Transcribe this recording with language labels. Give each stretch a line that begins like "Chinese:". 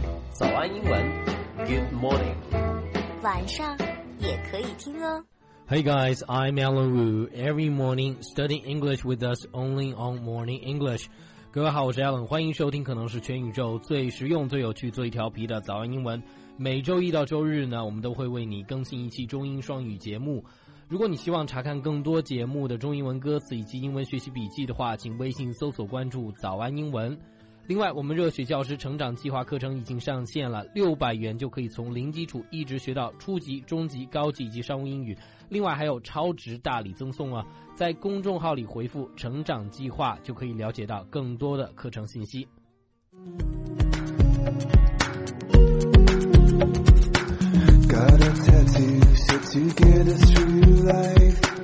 Chinese: 早安英文
English: Good morning，
Chinese: 晚上也可以听哦。
English: Hey guys, I'm Alan Wu. Every morning, study English with us only on Morning English.
Chinese: 各位好，我是 Alan， 欢迎收听可能是全宇宙最实用、最有趣、最调皮的早安英文。每周一到周日呢，我们都会为你更新一期中英双语节目。如果你希望查看更多节目的中英文歌词以及英文学习笔记的话，请微信搜索关注早安英文。另外，我们热血教师成长计划课程已经上线了，600元就可以从零基础一直学到初级、中级、高级以及商务英语。另外还有超值大礼赠送啊！在公众号里回复"成长计划"就可以了解到更多的课程信息。
English: Got a tattoo to get us through life.